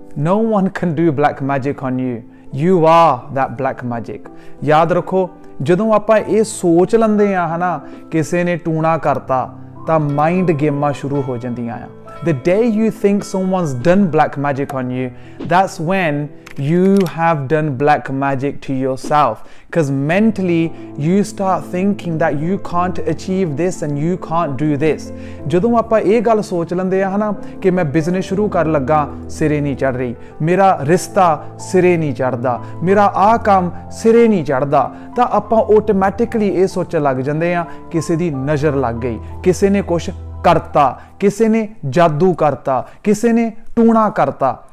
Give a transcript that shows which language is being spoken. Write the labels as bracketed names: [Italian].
[English] No one can do black magic on you. You are that black magic. [Punjabi] ਯਾਦ ਰੱਖੋ, ਜਦੋਂ ਆਪਾਂ ਇਹ ਸੋਚ ਲੈਂਦੇ ਹਾਂ ਹਨਾ ਕਿਸੇ ਨੇ ਟੂਣਾ ਕਰਤਾ, ਤਾਂ ਮਾਈਂਡ ਗੇਮਾਂ ਸ਼ੁਰੂ ਹੋ ਜਾਂਦੀਆਂ ਆ। [English] The day you think someone's done black magic on you, that's when you have done black magic to yourself. Because mentally, you start thinking that you can't achieve this and you can't do this. [Punjabi] ਜਦੋਂ ਆਪਾਂ ਇਹ ਗੱਲ ਸੋਚ ਲੈਂਦੇ ਹਾਂ ਨਾ ਕਿ ਮੈਂ ਬਿਜ਼ਨਸ ਸ਼ੁਰੂ ਕਰਨ ਲੱਗਾ, ਸਿਰੇ ਨਹੀਂ ਚੜ ਰਹੀ, ਮੇਰਾ ਰਿਸ਼ਤਾ ਸਿਰੇ ਨਹੀਂ ਚੜ੍ਹਦਾ, ਮੇਰਾ ਆਹ ਕੰਮ ਸਿਰੇ ਨਹੀਂ ਚੜ੍ਹਦਾ, ਤਾਂ ਆਪਾਂ ਆਟੋਮੈਟਿਕਲੀ ਇਹ ਸੋਚਣ ਲੱਗ ਜਾਂਦੇ ਹਾਂ ਕਿਸੇ ਦੀ ਨਜ਼ਰ ਲੱਗ ਗਈ, ਕਿਸੇ ਨੇ ਕੁਛ ਕਰਤਾ, ਕਿਸੇ ਨੇ ਜਾਦੂ ਕਰਤਾ, ਕਿਸੇ ਨੇ ਟੂਣਾ ਕਰਤਾ।